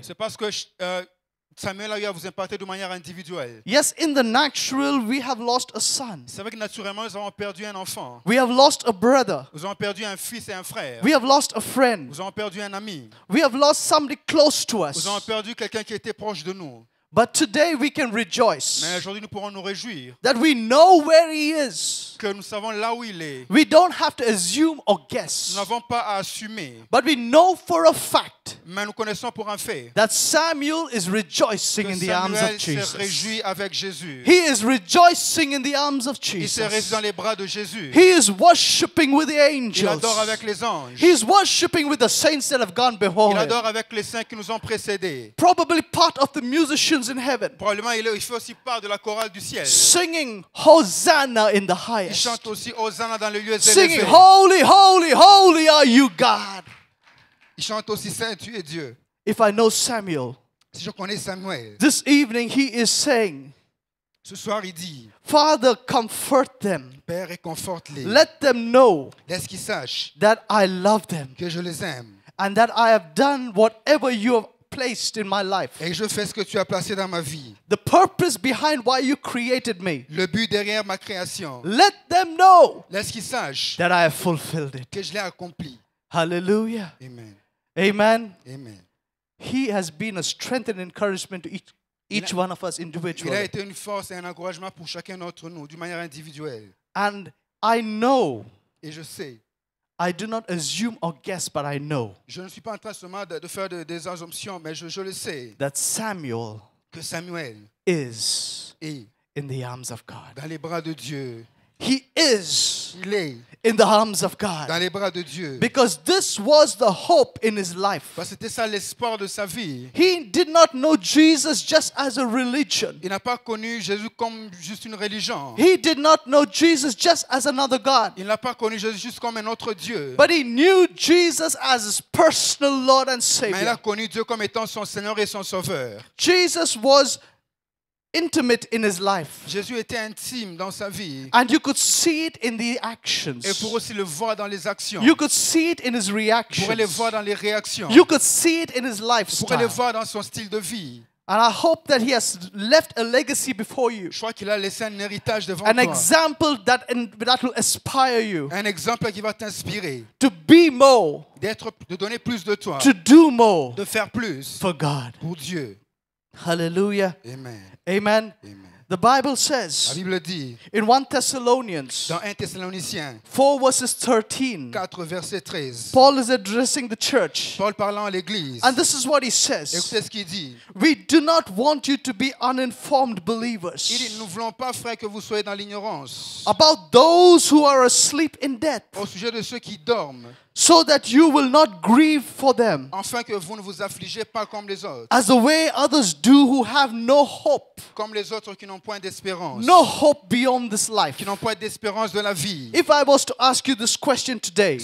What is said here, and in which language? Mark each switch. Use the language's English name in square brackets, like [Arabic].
[French] C'est parce que Samuel a eu à vous impacter de manière individuelle. [English] Yes, in the natural, we have lost a son. [French] C'est vrai que naturellement, nous avons perdu un enfant. [English] We have lost a brother. [French] Nous avons perdu un fils et un frère. [English] We have lost a friend. [French] Nous avons perdu un ami. [English] We have lost somebody close to us. [French] Nous avons perdu quelqu'un qui était proche de nous. [English] But today we can rejoice. [French] Mais aujourd'hui nous pourrons nous réjouir. [English] That we know where he is. [French] Que nous savons là où il est. [English] We don't have to assume or guess. [French] Nous n'avons pas à assumer. [English] But we know for a fact. [French] Mais nous connaissons pour un fait. [English] That Samuel is rejoicing [French] Samuel [English] in the arms of Jesus. [French] Se réjouit avec Jésus. [English] He is rejoicing in the arms of Jesus. [French] Il se réjouit dans les bras de Jésus. [English] He is worshiping with the angels. [French] Il adore avec les anges. [English] He is worshiping with the saints that have gone before. [French] Il adore avec les saints qui nous ont précédés. [English] Probably part of the musicians in heaven. [French] Probablement il fait aussi part de la chorale du ciel. [English] Singing Hosanna in the highest. [French] Il chante aussi Hosanna dans les lieux élevés. [English] Singing Holy, Holy, Holy are you God. [French] Il chante aussi Saint, tu es Dieu. [English] If I know Samuel. [French] Si je connais Samuel. [English] This evening he is saying. [French] Ce soir il dit. [English] Father, comfort them. [French] Père, réconforte-les. [English] Let them know. [French] Laisse qu'ils sachent. [English] That I love them. [French] Que je les aime. [English] And that I have done whatever you have placed in my life. [French] Et je fais ce que tu as placé dans ma vie. [English] The purpose behind why you created me. [French] Le but derrière ma création. [English] Let them know. [French] Laisse qu'ils sachent. [English] That I have fulfilled it. [French] Que je l'ai accompli. Hallelujah. Amen. Amen. Amen. [English] He has been a strength and encouragement to each one of us individually. [French] Il a été une force et un encouragement pour chacun d'entre nous d'une manière individuelle. [English] And I know. [French] Et je sais. [English] I do not assume or guess, but I know. [French] Je ne suis pas en train seulement de faire des assumptions, mais je le sais. [English] That Samuel. [French] Que Samuel. [English] Is. [French] Est. [English] In the arms of God. [French] Dans les bras de Dieu. [English] He is. [French] Il est. [English] In the arms of God. [French] Dans les bras de Dieu. [English] Because this was the hope in his life. [French] Parce que c'était ça l'espoir de sa vie. [English] He did not know Jesus just as a religion. [French] Il n'a pas connu Jésus comme juste une religion. [English] He did not know Jesus just as another God. [French] Il n'a pas connu Jésus juste comme un autre Dieu. [English] But he knew Jesus as his personal Lord and Savior. [French] Mais il a connu Dieu comme étant son Seigneur et son Sauveur. [English] Jesus was intimate in his life. [French] Jésus était intime dans sa vie. [English] And you could see it in the actions. [French] Et pour aussi le voir dans les actions. [English] You could see it in his reactions. [French] Pour le voir dans les réactions. [English] You could see it in his lifestyle. [French] Pour le voir dans son style de vie. [English] And I hope that he has left a legacy before you. [French] Je crois qu'il a laissé un héritage devant an toi. [English] An example that will inspire you. [French] Un exemple qui va t'inspirer. [English] To be more. [French] D'être, de donner plus de toi. [English] To do more. [French] De faire plus. [English] For God. [French] Pour Dieu. Hallelujah. Amen. Amen. Amen. [English] The Bible says, [French] la Bible dit, [English] in 1 Thessalonians, [French] dans 1 Thessaloniciens, [English] 4 verses 13, [French] 4 verset 13, [English] Paul is addressing the church. [French] Paul parlant à l'église. [English] And this is what he says. [French] Écoutez ce qu'il dit. [English] We do not want you to be uninformed believers. [French] Il dit, nous voulons pas, frère, que vous soyez dans l'ignorance. [English] About those who are asleep in death. [French] Au sujet de ceux qui dorment. [English] So that you will not grieve for them. [French] Enfin que vous ne vous affligez pas comme les autres. [English] As the way others do who have no hope. [French] Comme les autres qui n'ont point d'espérance. [English] No hope beyond this life. [French] Qui n'ont point d'espérance de la vie. [English] If I was to ask you this question today.